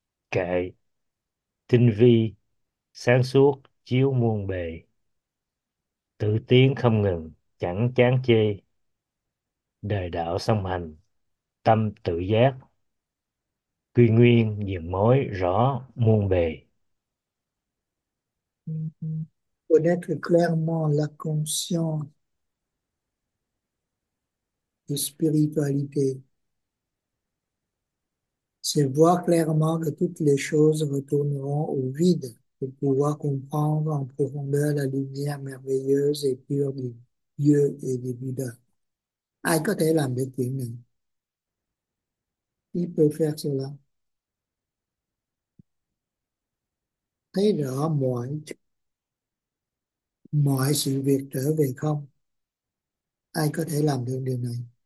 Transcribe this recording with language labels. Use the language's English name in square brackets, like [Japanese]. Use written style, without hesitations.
[Vietnamese] Kệ, tinh vi, sáng suốt, chiếu muôn bề. Tự tiến không ngừng, chẳng chán chê. Đời đạo song hành, tâm tự giác, quy nguyên diện mối rõ muôn bề. [French] Connaître clairement la conscience de spiritualité, c'est voir clairement que toutes les choses retourneront au vide pour pouvoir comprendre en profondeur la lumière merveilleuse et pure du Dieu et du Bouddha. [Vietnamese] Ai có thể làm được chuyện này? [French] Qui peut faire cela? [Vietnamese] Thấy rõ mọi sự việc trở về không, ai có thể làm được điều này?